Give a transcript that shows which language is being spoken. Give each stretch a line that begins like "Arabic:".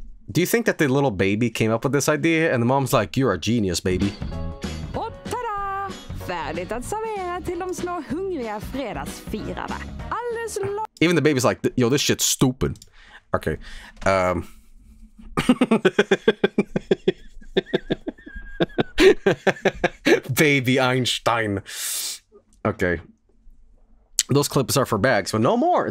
English: Do you think that the little baby came up with this idea and the mom's like, you're a genius, baby?
Swedish: Och tada! Färdigt att servera till de små hungriga fredagsfirarna.
English: Even the baby's like, yo, this shit's stupid. Okay. Baby Einstein. Okay. Those clips are for bags, but no more.